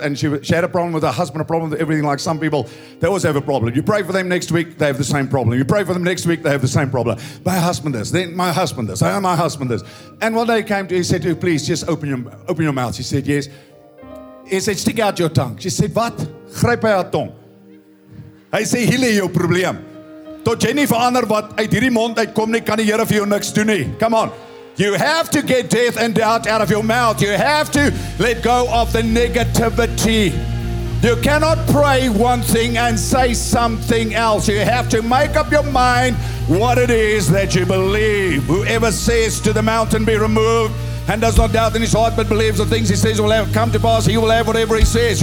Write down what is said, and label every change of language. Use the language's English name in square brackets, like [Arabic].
[English] And she had a problem with her husband, a problem with everything. Like some people, they always have a problem. You pray for them next week, they have the same problem. You pray for them next week, they have the same problem. My husband this, then my husband this, my husband this. And one day he came to her, he said to her, please, just open your mouth. She said, yes. He said, stick out your tongue. She said, what? [Afrikaans] Gryp hy haar tong. Hy sê, hier lê jou probleem. Tot jy nie verander wat uit hierdie mond uitkom nie, kan die Here vir jou niks doen nie. [English] Come on. You have to get death and doubt out of your mouth. You have to let go of the negativity. You cannot pray one thing and say something else. You have to make up your mind what it is that you believe. Whoever says to the mountain be removed and does not doubt in his heart but believes the things he says will have come to pass, he will have whatever he says.